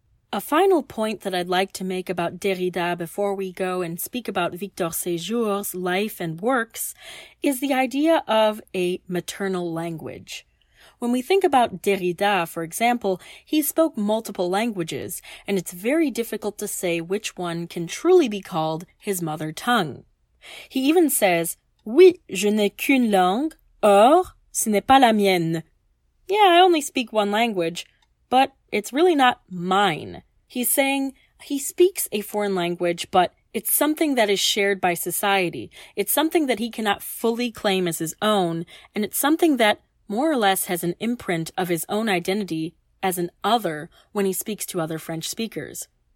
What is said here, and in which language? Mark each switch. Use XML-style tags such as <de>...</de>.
<en>A final point that I'd like to make about Derrida before we go and speak about Victor Séjour's life and works is the idea of a maternal language. When we think about Derrida, for example, he spoke multiple languages, and it's very difficult to say which one can truly be called his mother tongue. He even says,</en> <fr>"Oui, je n'ai qu'une langue, or ce n'est pas la mienne."</fr> <en>Yeah, I only speak one language, but it's really not mine. He's saying he speaks a foreign language, but it's something that is shared by society. It's something that he cannot fully claim as his own, and it's something that more or less has an imprint of his own identity as an other when he speaks to other French speakers.</en>